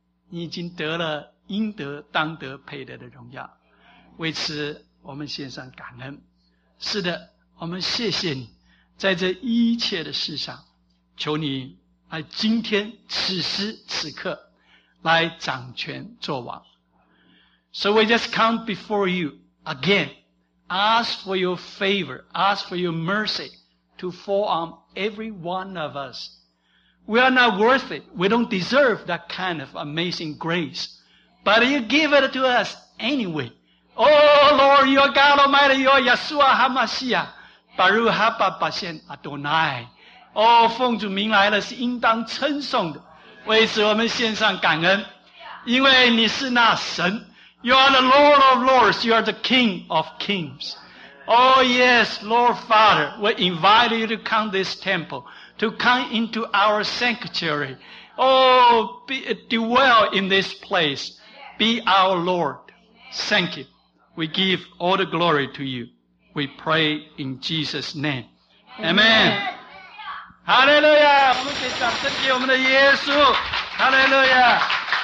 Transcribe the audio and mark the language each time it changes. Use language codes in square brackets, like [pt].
[zh] 你已经得了应得当得配得的荣耀，为此我们献上感恩。是的，我们谢谢你在这一切的事上，求你来今天此时此刻来掌权作王。 [en] So we just come before you again, ask for your favor, ask for your mercy to fall on every one of us. We are not worthy. We don't deserve that kind of amazing grace. But you give it to us anyway. Oh Lord, your God Almighty, your Yeshua HaMashiach, [he] Baruch Haba Bashen Adonai. [zh] Oh, 奉主名来了是应当称颂的，为此我们献上感恩，因为你是那神。 [en] You are the Lord of Lords. You are the King of Kings. Oh yes, Lord Father, we invite you to come to this temple, to come into our sanctuary. Oh, dwell in this place. Be our Lord. Thank you. We give all the glory to you. We pray in Jesus' name. Amen. [zh] Hallelujah. 我们给掌声给我们的耶稣。Hallelujah.